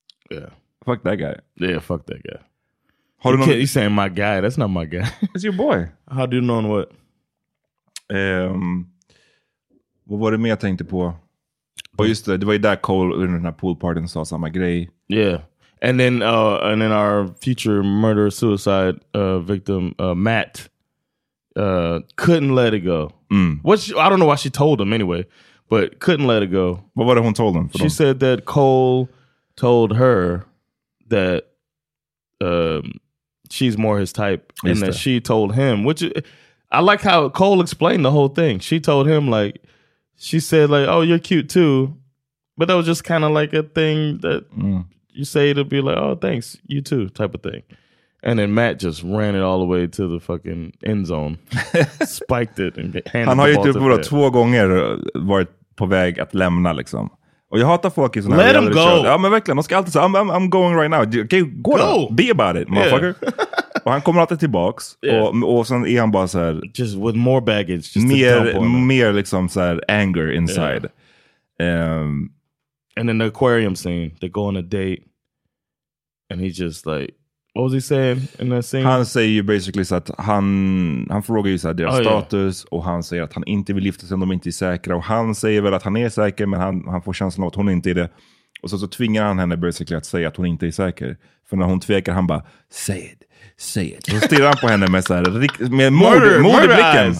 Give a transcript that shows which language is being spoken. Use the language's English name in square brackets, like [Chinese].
[English] Yeah. Fuck that guy. Yeah, fuck that guy. Hold on. You saying my guy? That's not my guy. It's your boy. How do you know what? [Swedish] Vad var det mer jag tänkte på? Och just det, det var ju där Cole under den här poolpartyn sa samma grej. [English] Yeah. And then our future murder suicide victim Matt couldn't let it go. Mm. Which I don't know why she told him anyway, but couldn't let it go. But what hon told him? She said that Cole told her that she's more his type and that she told him, which I like how Cole explained the whole thing. She told him, like, she said, like, oh, you're cute too. But that was just kind of like a thing that you say to be like, oh, thanks, you too, type of thing. And then Matt just ran it all the way to the fucking end zone, spiked it and handed [Swedish] han [English] to him. [Swedish] Han har ju typ bara två gånger varit på väg att lämna, liksom. Och jag hatar folk i sådana [English] Let him go. [Swedish] Ja, men verkligen. De ska alltid säga, [English] I'm going right now. Okay, go. Go. Be about it, motherfucker. Yeah. [Swedish] Och han kommer alltid tillbaks. [English] Yeah. [Swedish] Och sen är han bara så här, [English] just with more baggage. Just [Swedish] mer liksom så här [English] anger inside. [Swedish] Yeah. [English] And then the aquarium scene. They go on a date. And he just like, what was he saying in that scene? [Swedish] Han säger ju basically så att han frågar ju så här deras status. Yeah. Och han säger att han inte vill lyfta sig om de inte är säkra. Och han säger väl att han är säker, men han får känslan av att hon inte är det. Och så tvingar han henne basically att säga att hon inte är säker. För när hon tvekar, han bara, say it. Så stirrar han på henne med så här, med mord i blicken.